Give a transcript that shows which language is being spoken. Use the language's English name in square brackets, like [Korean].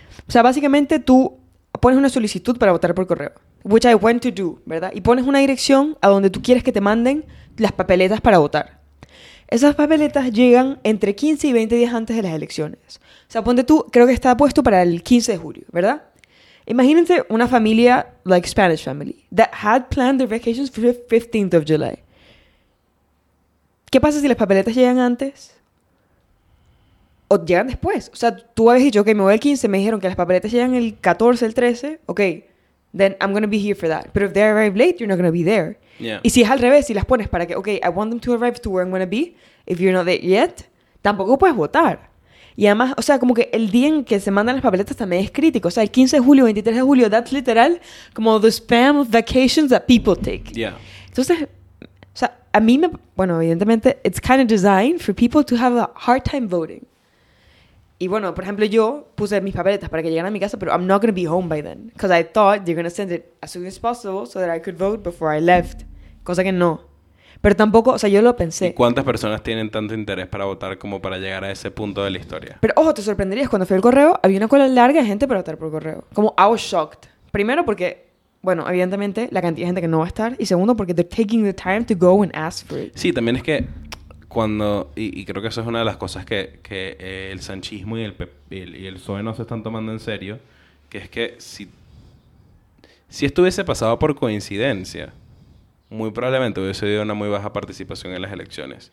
[Spanish] O sea, básicamente tú pones una solicitud para votar por correo, which I went to do, ¿verdad? Y pones una dirección a donde tú quieres que te manden las papeletas para votar. Esas papeletas llegan entre 15 y 20 días antes de las elecciones. O sea, ponte tú, creo que está puesto para el 15 de julio, ¿verdad? [English] Imagínense una familia, like Spanish family, that had planned their vacations for the 15th of July. [Spanish] ¿Qué pasa si las papeletas llegan antes? o llegan después. O sea, tú habías dicho, ok, me voy el 15, me dijeron que las papeletas llegan el 14, el 13, ok, then I'm going to be here for that. [English] But if they arrive late, you're not going to be there. Yeah. Y si es al revés, si las pones para que, ok, I want them to arrive to where I'm going to be, if you're not there yet, tampoco puedes votar. [Spanish] Y además, o sea, como que el día en que se mandan las papeletas también es crítico. [English] O sea, el 15 de julio, 23 de julio, that's literal como the spam of vacations that people take. Yeah. [Spanish] Entonces, o sea, a mí me... [English] Bueno, evidentemente, it's kind of designed for people to have a hard time voting. [Spanish] Y bueno, por ejemplo, yo puse mis papeletas para que llegaran a mi casa, pero I'm not going to be home by then. [English] Because I thought you're going to send it as soon as possible so that I could vote before I left. [Spanish] Cosa que no. Pero tampoco, o sea, yo lo pensé. ¿Y cuántas personas tienen tanto interés para votar como para llegar a ese punto de la historia? Pero ojo, te sorprenderías. Cuando fui al correo, había una cola larga de gente para votar por correo. Como, I was shocked. Primero porque, bueno, evidentemente, la cantidad de gente que no va a estar. [English] Y segundo porque they're taking the time to go and ask for it. [Spanish] Sí, también es que cuando, y creo que eso es una de las cosas que el sanchismo y el PSOE no se están tomando en serio, que es que si esto hubiese pasado por coincidencia, muy probablemente hubiese habido una muy baja participación en las elecciones.